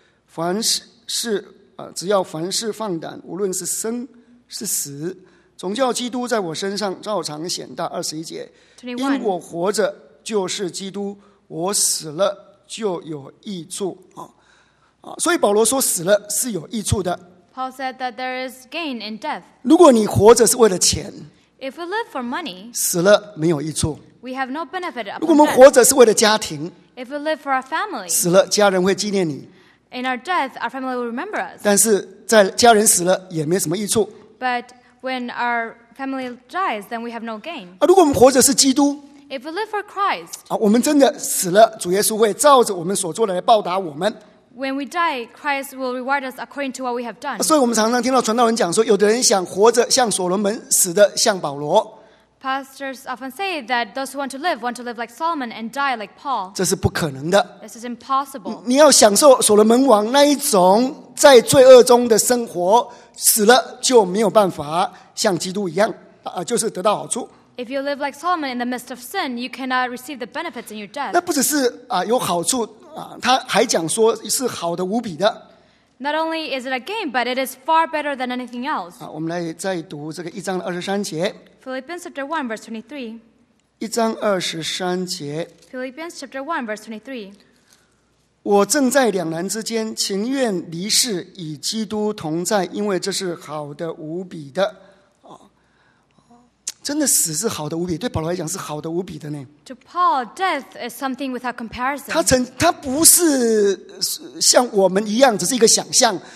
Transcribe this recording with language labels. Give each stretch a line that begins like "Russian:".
Chinese: 凡事，只要凡事放胆，无论是生是死，总叫基督在我身上照常显大。二十一节，因我活着就是基督，我死了就有益处。所以保罗说死了是有益处的。
English: Paul said that there is gain in death.
Chinese: 如果你活着是为了钱，
English: If we live for money,
Chinese: 死了没有益处。
English: We have no benefit upon death.
Chinese: 如果我们活着是为了家庭，
English: If we live for our family,
Chinese: 死了家人会纪念你。
English: In our death, our family will remember us.
Chinese: 但是在家人死了也没什么益处。
English: But when our family dies, then we have no gain.
Chinese: 如果我们活着是基督，
English: If we live for Christ,
Chinese: 我们真的死了，主耶稣会照着我们所做的来报答我们。
English: When we die, Christ will reward us according to what we have done.
Chinese: 所以我们常常听到传道人讲说，有的人想活着像所罗门，死的像保罗。
English: Pastors often say that those who want to live like Solomon and die like Paul.
Chinese: 这是不可能的。
English: This is impossible.
Chinese: 你要享受所罗门王那一种在罪恶中的生活，死了就没有办法像基督一样，就是得到好处。 If you live like Solomon in the midst of sin, you cannot receive the benefits in your death. 那不只是有好处。他还讲说是好的无比的。
English: Not only is it a gain, but it is far better than anything else.
Chinese: 我们来再读这个一章二十三节。
English: Philippians chapter 1, verse 23.
Chinese: 一章二十三节。
English: Philippians chapter 1, verse 23.
Chinese: 我正在两难之间，情愿离世与基督同在，因为这是好的无比的。真的死是好的无比，对保罗来讲是好的无比的呢。
English: To Paul, death is something without comparison.
Chinese: 他不是像我们一样，只是一个想象。